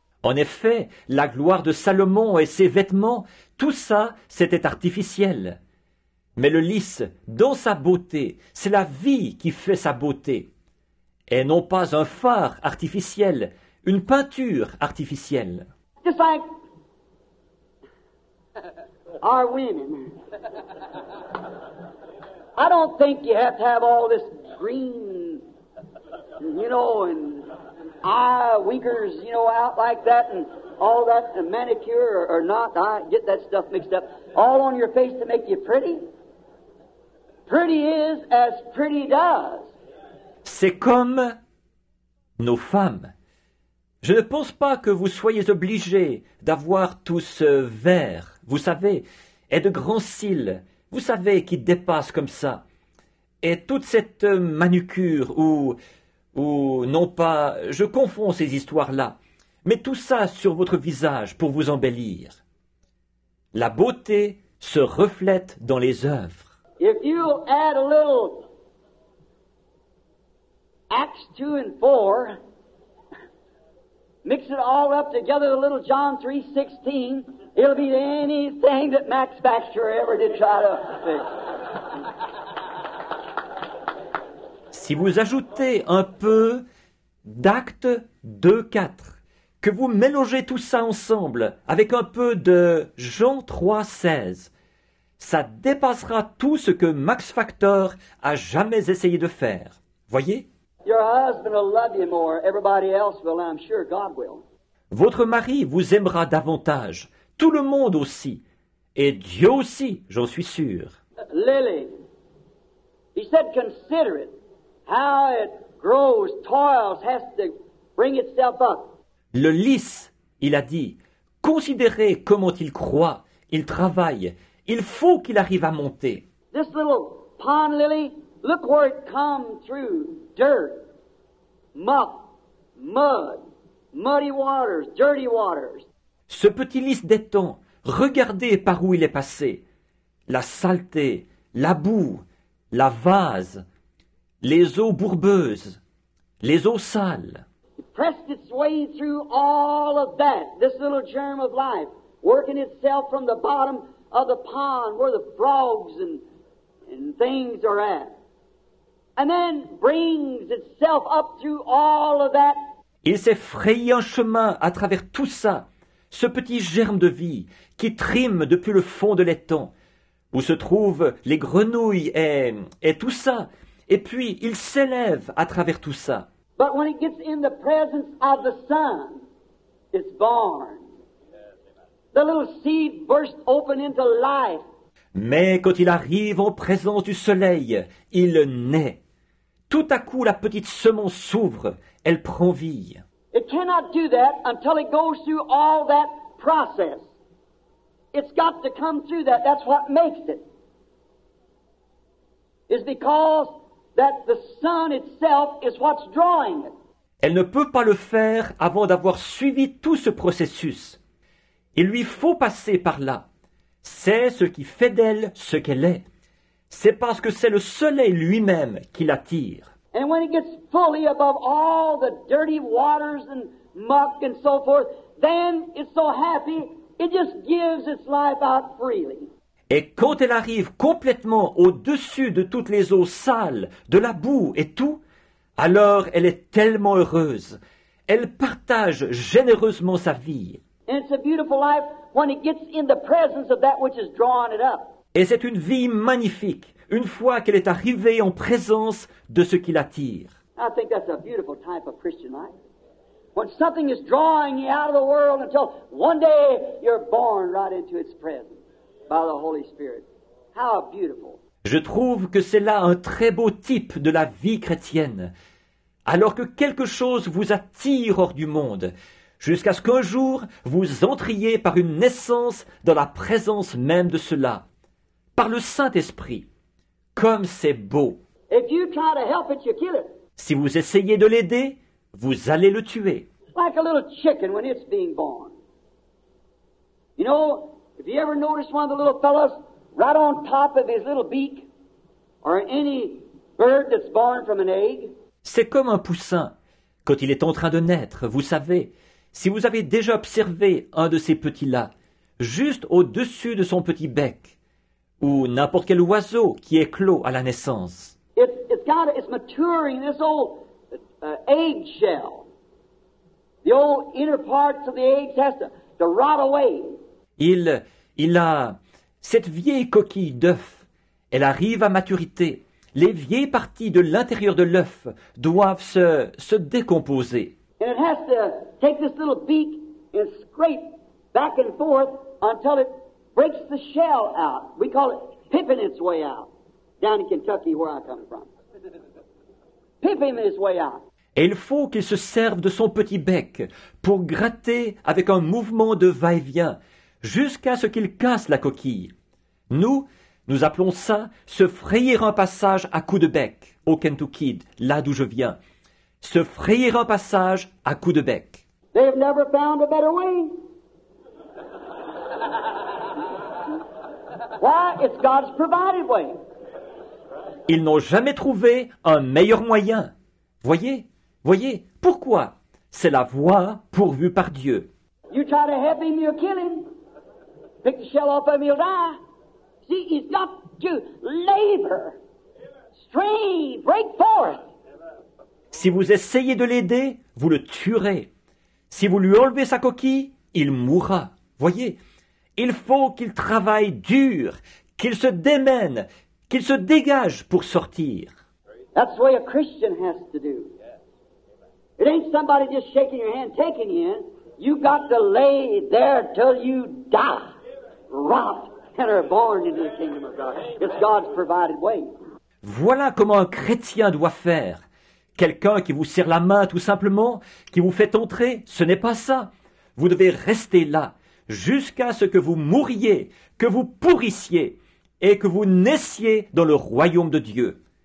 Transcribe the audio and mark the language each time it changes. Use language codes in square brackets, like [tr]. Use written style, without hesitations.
[fr] En effet, la gloire de Salomon et ses vêtements, tout ça, c'était artificiel. Mais le lys, dans sa beauté, c'est la vie qui fait sa beauté. Et non pas un fard artificiel, une peinture artificielle. [en] Just like our women. I don't think you have to have all this green, you know, and eye winkers, you know, out like that, and all that, and manicure or not, I get that stuff mixed up, all on your face to make you pretty? Pretty is as pretty does. [fr] C'est comme nos femmes. Je ne pense pas que vous soyez obligé d'avoir tout ce vert, vous savez, et de grands cils, vous savez, qui dépassent comme ça. Et toute cette manucure ou non pas, je confonds ces histoires-là, mais tout ça sur votre visage pour vous embellir. La beauté se reflète dans les œuvres. [en] If you add a little Acts 2 and 4, mix it all up together, a little John 3:16, it'll be anything that Max Baxter ever did try to fix. [fr] Si vous ajoutez un peu d'Actes 2:4, que vous mélangez tout ça ensemble avec un peu de Jean 3:16, ça dépassera tout ce que Max Factor a jamais essayé de faire. Voyez? [en] Your husband will love you more. Everybody else will, I'm sure God will. [fr] Votre mari vous aimera davantage. Tout le monde aussi. Et Dieu aussi, j'en suis sûr. [en] Lily, he said, consider it. How it grows, toils, has to bring itself up. [fr] Le lys, il a dit, considérez comment il croît, il travaille, il faut qu'il arrive à monter. [en] This little pond lily, look where it comes through, dirt, muck, mud, muddy waters, dirty waters. [fr] Ce petit lys d'étang, regardez par où il est passé, la saleté, la boue, la vase, les eaux bourbeuses, les eaux sales. [en] It pressed its way through all of that, this little germ of life, working itself from the bottom of the pond where the frogs and things are at. And then brings itself up through all of that. [fr] Il s'est frayé un chemin à travers tout ça, ce petit germe de vie qui trime depuis le fond de l'étang, où se trouvent les grenouilles et tout ça. Et puis, il s'élève à travers tout ça. [en] But when it gets in the presence of the sun, it's born. The little seed bursts open into life. [fr] Mais quand il arrive en présence du soleil, il naît. Tout à coup, la petite semence s'ouvre, elle prend vie. [en] It cannot do that until it goes through all that process. It's got to come through that. That's what makes it. It's because that the sun itself is what's drawing it. [fr] Elle ne peut pas le faire avant d'avoir suivi tout ce processus. Il lui faut passer par là. C'est ce qui fait d'elle ce qu'elle est. C'est parce que c'est le soleil lui-même qui l'attire. [en] And when it gets fully above all the dirty waters and muck and so forth, then it's so happy, it just gives its life out freely. [fr] Et quand elle arrive complètement au-dessus de toutes les eaux sales, de la boue et tout, alors elle est tellement heureuse. Elle partage généreusement sa vie. [en] And it's a beautiful life when it gets in the presence of that which is drawing it up. [fr] Et c'est une vie magnifique, une fois qu'elle est arrivée en présence de ce qui l'attire. [en] I think that's a beautiful type of Christian life. When something is drawing you out of the world until one day you're born right into its presence. By the Holy Spirit. How beautiful. [fr] Je trouve que c'est là un très beau type de la vie chrétienne. Alors que quelque chose vous attire hors du monde, jusqu'à ce qu'un jour vous entriez par une naissance dans la présence même de cela, par le Saint-Esprit. Comme c'est beau. [en] If you try to help it, you kill it. [fr] Si vous essayez de l'aider, vous allez le tuer. [en] Like a little chicken when it's being born. You know, if you ever notice one of the little fellows right on top of his little beak, or any bird that's born from an egg. [fr] C'est comme un poussin quand il est en train de naître, vous savez. Si vous avez déjà observé un de ces petits-là, juste au-dessus de son petit bec, ou n'importe quel oiseau qui éclot à la naissance. [en] It's maturing this old egg shell. The old inner parts of the egg has to rot away. [fr] Il a cette vieille coquille d'œuf. Elle arrive à maturité. Les vieilles parties de l'intérieur de l'œuf doivent se décomposer. [en] And it has to take this little beak and scrape back and forth until it breaks the shell out. We call it pipping its way out. Down in Kentucky, where I come from. Pipping his way out. [fr] Et il faut qu'il se serve de son petit bec pour gratter avec un mouvement de va-et-vient jusqu'à ce qu'il casse la coquille. Nous appelons ça se frayer un passage à coups de bec au Kentucky, là d'où je viens. Se frayer un passage à coups de bec. [en] They've never found a better way. Why? It's God's provided way. [fr] Ils n'ont jamais trouvé un meilleur moyen. Voyez, pourquoi? C'est la voie pourvue par Dieu. [en] You try to help him, you'll kill him. Pick the shell off him, you'll die. See, he's got to labor, strain, break forth. [fr] Si vous essayez de l'aider, vous le tuerez. Si vous lui enlevez sa coquille, il mourra. Voyez, il faut qu'il travaille dur, qu'il se démène, qu'il se dégage pour sortir. [en] That's what a Christian has to do. It ain't somebody just shaking your hand, taking you in. You got to lay there till you die, rot, and are born into the kingdom of God. It's God's provided way. [fr] Voilà comment un chrétien doit faire. Quelqu'un qui vous serre la main tout simplement, qui vous fait entrer, ce n'est pas ça. Vous devez rester là jusqu'à ce que vous mouriez, que vous pourrissiez et que vous naissiez dans le royaume de Dieu.